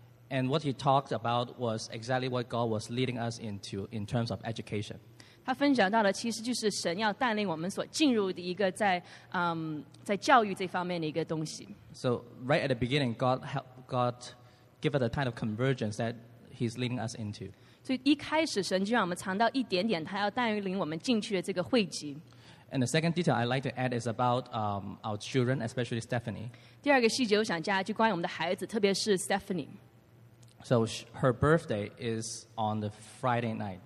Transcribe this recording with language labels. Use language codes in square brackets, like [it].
[en] And what he talked about was exactly what God was leading us into in terms of education. [zh] 他分享到的其实就是神要带领我们所进入的一个在 在教育这方面的一个东西。 [en] So right at the beginning, God gave us a kind of convergence that He's leading us into. [zh] 所以一开始神就让我们尝到一点点，他要带领我们进去的这个汇集。 [en] And the second detail I'd like to add is about our children, especially Stephanie. [zh] 第二个细节我想加，就关于我们的孩子，特别是Stephanie. [en] So her birthday is on the Friday night.